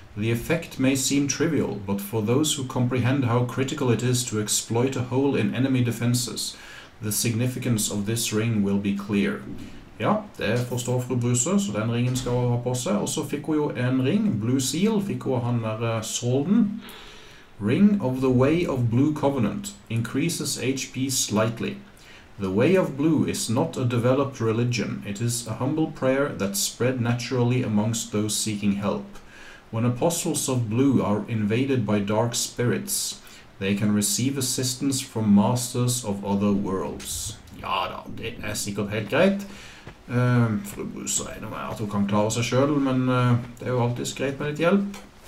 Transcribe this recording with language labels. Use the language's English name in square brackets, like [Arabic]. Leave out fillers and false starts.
[English] The effect may seem trivial, but for those who comprehend how critical it is to exploit a hole in enemy defenses, the significance of this ring will be clear. [Norwegian] Ja, det forstår fru Bruse, så den ringen skal hun ha på seg. Og så fikk hun jo en ring, Blue Seal, fikk hun han der solden. [English] Ring of the Way of Blue Covenant increases HP slightly. The Way of Blue is not a developed religion. It is a humble prayer that spread naturally amongst those seeking help. When apostles of blue are invaded by dark spirits, they can receive assistance from masters of other worlds. [Norwegian] Ja da, det sikkert helt greit. Fru Bruse regner med at hun kan klare seg selv, men det jo alltid greit med litt hjelp.